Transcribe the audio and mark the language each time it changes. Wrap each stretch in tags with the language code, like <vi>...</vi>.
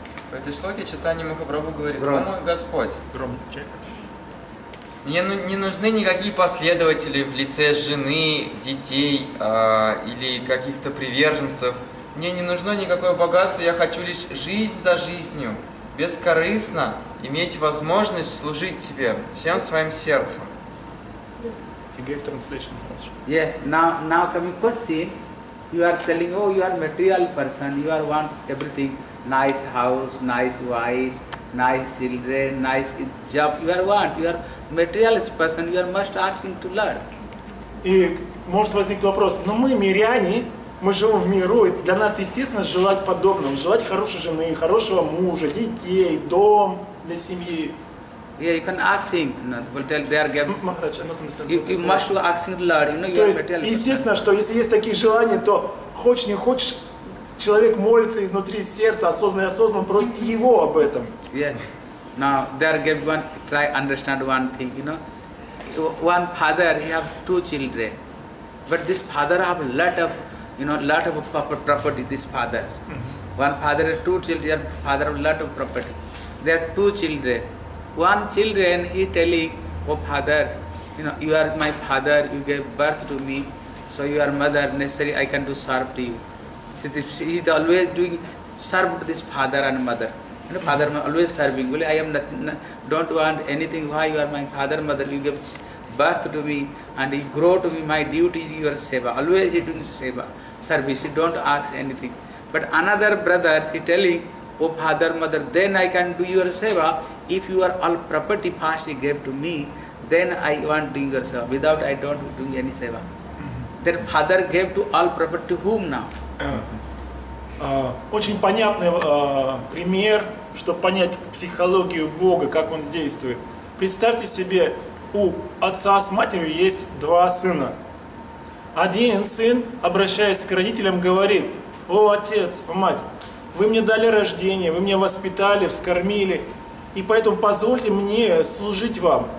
<ru>В этой шлоке Чайтанья Махапрабху говорит: «О мой Господь, мне не нужны никакие последователи в лице жены, детей или каких-то приверженцев. Мне не нужно никакое богатство, я хочу лишь жизнь за жизнью, бескорыстно иметь возможность служить Тебе всем своим сердцем».</ru> <en>He gave translation. Yeah, now coming question. You are telling, oh, you are material person, you are want everything. Nice house, nice wife, nice children, nice job. You are want. You are materialist person. You are must asking to learn.</en> <ru>И может возникнуть вопрос: но мы миряне, мы живем в миру, и для нас естественно желать подобного, желать хорошей жены, хорошего мужа, детей, дом для семьи.</ru> <en>Yeah, you can asking. No, will tell they are getting. Maharaj, I'm not understanding. You must asking to learn. You know, you are materialist.</en> <ru>То есть естественно, что если есть такие желания, то хочешь не хочешь. Человек молится изнутри сердца, осознанно просит его об этом.</ru> <en>Yeah. Now they are give one try understand one thing, you know. One father, he have two children, but this father have lot of property. This father, one father has two children, father have lot of property. They are two children. One children he telling, oh father, you know, you are my father, you gave birth to me, so you are mother necessary. I can do serve to you. So he is always doing serve to this father and mother. You know, father always serving. Well, I am nothing, don't want anything. Why you are my father, mother? You give birth to me and you grow to me. My duty is your seva. Always he doing seva, service. He don't ask anything. But another brother, he telling, oh father, mother, then I can do your seva. If you are all property first you gave to me, then I want doing your seva. Without I don't do any seva. Then father gave to all property to whom now?</en> <ru>Очень понятный пример, чтобы понять психологию Бога, как Он действует. Представьте себе, у отца с матерью есть два сына. Один сын, обращаясь к родителям, говорит: «О, отец, мать, вы мне дали рождение, вы меня воспитали, вскормили, и поэтому позвольте мне служить вам.</ru>